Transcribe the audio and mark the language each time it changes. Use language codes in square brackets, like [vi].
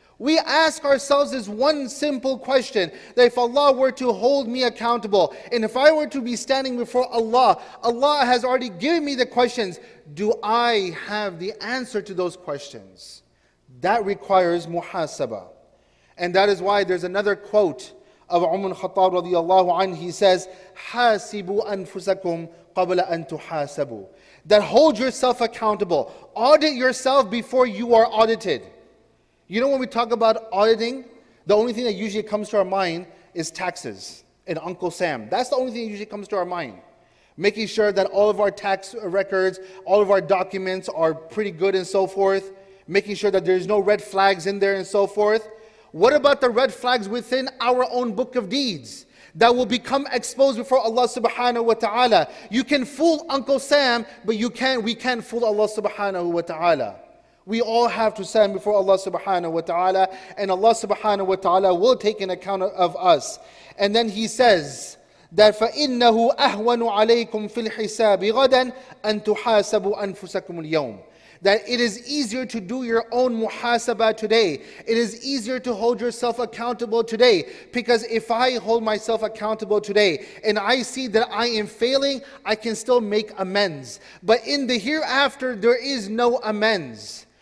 [en] We ask ourselves this one simple question, that if Allah were to hold me accountable, and if I were to be standing before Allah, Allah has already given me the questions. Do I have the answer to those questions? That requires muhasabah. And that is why there's another quote of Umar al-Khattab radiallahu anhu. He says, [ar] حَاسِبُوا أَنفُسَكُمْ قَبْلَ أَن تُحَاسَبُوا. [en] That hold yourself accountable. Audit yourself before you are audited. You know, when we talk about auditing, the only thing that usually comes to our mind is taxes and Uncle Sam. That's the only thing that usually comes to our mind. Making sure that all of our tax records, all of our documents are pretty good and so forth. Making sure that there's no red flags in there and so forth. What about the red flags within our own book of deeds that will become exposed before Allah subhanahu wa ta'ala? You can fool Uncle Sam, but we can't fool Allah subhanahu wa ta'ala. We all have to stand before Allah subhanahu wa ta'ala, and Allah subhanahu wa ta'ala will take an account of us. And then He says that [ar] فَإِنَّهُ أَهْوَنُ عَلَيْكُمْ فِي الْحِسَابِ غَدًا أَن تُحَاسَبُوا أَنفُسَكُمُ الْيَوْمِ. [en] That it is easier to do your own muhasabah today. It is easier to hold yourself accountable today. Because if I hold myself accountable today and I see that I am failing, I can still make amends. But in the hereafter, there is no amends.